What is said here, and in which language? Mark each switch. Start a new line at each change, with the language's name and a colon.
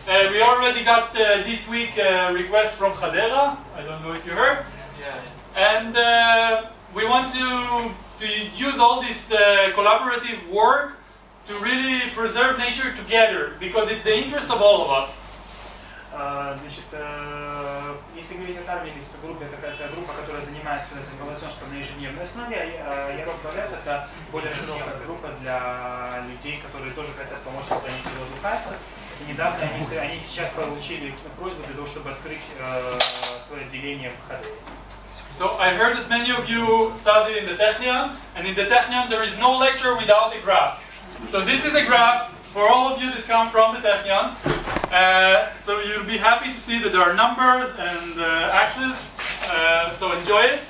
English: We already got this week a request from Khadera. I don't know if you heard. Yeah. And we want to use all this collaborative work to really preserve nature together, because it's the interest of all of us.
Russian: Значит, если говорить о Тармии, то группа, это группа, которая занимается этим волонтерством на ежедневной основе, а Ярок Балев – это более широкая группа для людей, которые тоже хотят помочь сохранить воду Хайфа. И недавно они сейчас получили просьбу для того, чтобы открыть свое отделение в Хаде.
English: So I heard that many of you study in the Technion, and in the Technion there is no lecture without a graph. So this is a graph for all of you that come from the Technion. So you'll be happy to see that there are numbers and axes. So enjoy it.